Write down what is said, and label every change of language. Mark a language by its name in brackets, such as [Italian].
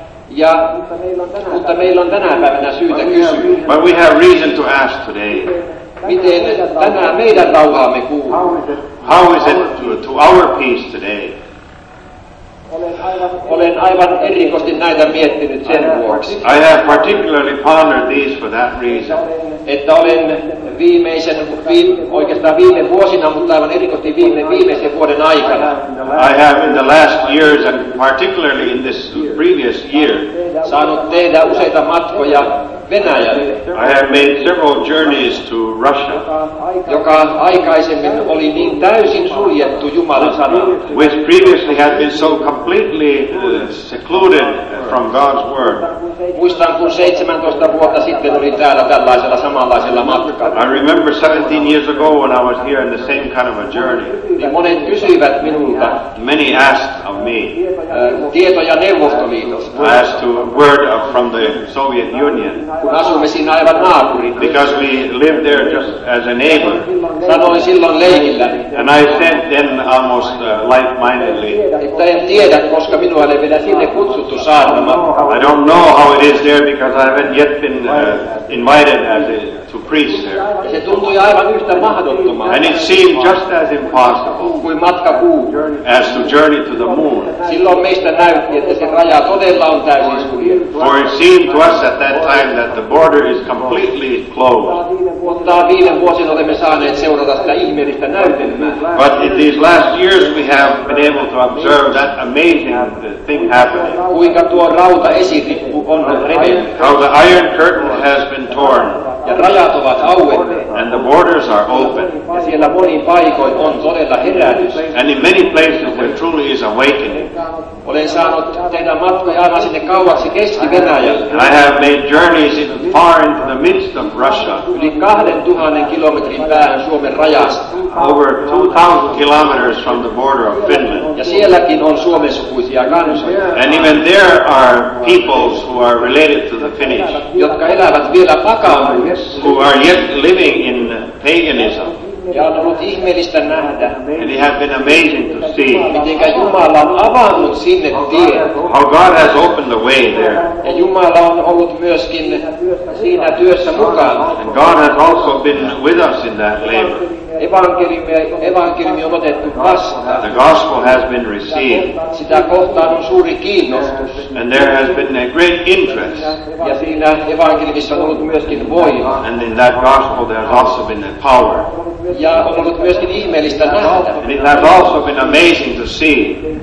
[Finnish] Ja, mutta meillä on tänä päivänä syytä kysyä. [English] But we have reason to ask today. [Finnish] Miten tänään meidän rauhaamme kuuluu? [English] How is it to our peace today? [Finnish] Olen aivan erikoisesti näitä miettinyt sen vuoksi. [English] I have particularly pondered these for that reason. [Finnish] Että olen viime vuosina, mutta aivan erikoisesti viimeisen vuoden aikana. [English] I have in the last years and particularly in this previous year. [Finnish] Saanut tehdä useita matkoja. [English] I have made several journeys to Russia, [Finnish] joka aikaisemmin oli niin täysin suljettu Jumalan sanan, [English] which previously had been so completely secluded from God's word. [Finnish] Muistan, kun 17 vuotta sitten olin täällä tällaisella samanlaisella matkalla. [English] I remember 17 years ago when I was here in the same kind of a journey. [Finnish] Niin monet kysyivät minulta. [English] Many asked of me. [Finnish] Tieto- ja Neuvostoliitosta. [English] Asked to word from the Soviet Union. [Finnish] Kun asumme siinä aivan naapurin. [English] Because we lived there just as a neighbor. [Finnish] Sanoin silloin leikillä. [English] And I said then almost light-mindedly. [Finnish] Että en tiedä, koska minua ei vielä sinne kutsuttu saarnamaan. [English] I don't know how it is there because I haven't yet been invited as to preach there. [Finnish] Se tuntui aivan yhtä mahdottomalta. [English] And it seemed just as impossible. [Finnish] Kuin matka kuu. [English] As to journey to the moon. [Finnish] Silloin meistä näytti, että se raja todella on täysin suljettu. [English] For it seemed to us at that time that the border is completely closed. [Finnish] Mutta viime vuosina olemme saaneet seurata sitä ihmeellistä näytelmää. [English] But in these last years we have been able to observe that amazing thing happening. [Finnish] Kuinka tuo rauta esiri. [English] How the iron curtain has been torn. [Finnish] Ja rajat ovat auenneet. [English] And the borders are open. [Finnish] Ja siellä monin paikoin on todella herätys. [English] And in many places there truly is awakening. [Finnish] Olen saanut tehdä matkoja aivan sinne kauaksi Keski-Venäjälle. [English] I have made journeys far into the midst of Russia. [Finnish] Yli 2000 kilometrin päähän Suomen rajasta. [English] Over 2000 kilometers from the border of Finland. [Finnish] Ja sielläkin on suomensukuisia kansoja. [English] And even there are peoples who are related to the Finnish. [Finnish] Jotka elävät vielä pakanoissa. [English] Who are yet living in paganism. [Finnish] Ja on ollut ihmeellistä nähdä. [English] And it has been amazing to see. [Finnish] Mitenkä Jumala on avannut sinne tien. [English] How God has opened the way there. [Finnish] Ja Jumala on ollut myöskin siinä työssä mukana. [English] And God has also been with us in that labor. [Finnish] Evankeliumi on otettu vastaan. [English] The gospel has been received. [Finnish] Sitä kohtaan on suuri kiinnostus. [English] And there has been a great interest. [Finnish] Ja siinä evankeliumissa on ollut myöskin voima. [English] And in that gospel there has also been a power. [Finnish] Ja on ollut myöskin ihmeellistä nähdä. [English] And it has also been amazing to see.